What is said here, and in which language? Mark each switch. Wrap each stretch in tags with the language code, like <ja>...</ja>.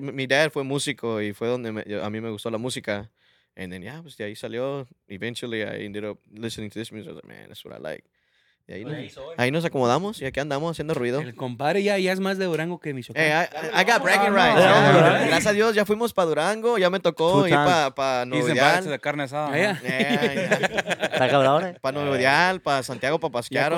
<es>Mi dad fue músico, y fue donde a mí me gustó la música.</es> <en>And then, yeah,</en> <es>pues de ahí salió.</es> <en>Eventually, I ended up listening to this music. I was like, man, that's what I like.</en> <es>Y ahí, ahí nos acomodamos y aquí andamos haciendo ruido. El compadre ya, ya es más de Durango que Michoacán.</es> <en>I got bragging rights. Yeah.</en> <es>Gracias a Dios, ya fuimos para Durango, ya me tocó ir para pa Novedial. De carne asada.</es> <en>Yeah. Yeah.</en> <es>¿Está cabrón? Para Novedial, para Santiago, para Pasquiaro.</es>